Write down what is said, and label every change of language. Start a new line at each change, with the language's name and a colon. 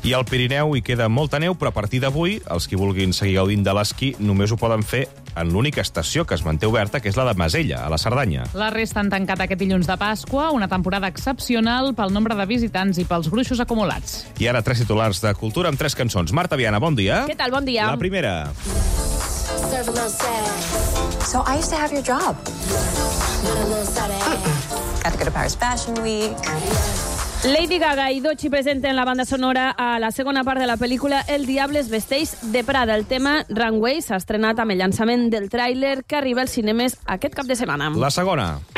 Catalan: I al Pirineu hi queda molta neu, però a partir d'avui, els qui vulguin seguir gaudint de l'esquí només ho poden fer en l'única estació que es manté oberta, que és la de Masella, a la Cerdanya. La resta han tancat aquest dilluns de Pasqua, una temporada excepcional pel nombre de visitants i pels gruixos acumulats. I ara tres titulars de Cultura amb tres cançons. Marta Viana, bon dia. Què tal, bon dia? La primera.
English: So I used to have your job. Got to go to Paris Fashion Week.
Catalan: Lady Gaga i Dochi presenten la banda sonora a la segona part de la pel·lícula El Diable es Vesteix de Prada. El tema Runway s'ha estrenat amb el llançament del tràiler que arriba als cinemes aquest cap de setmana. La segona.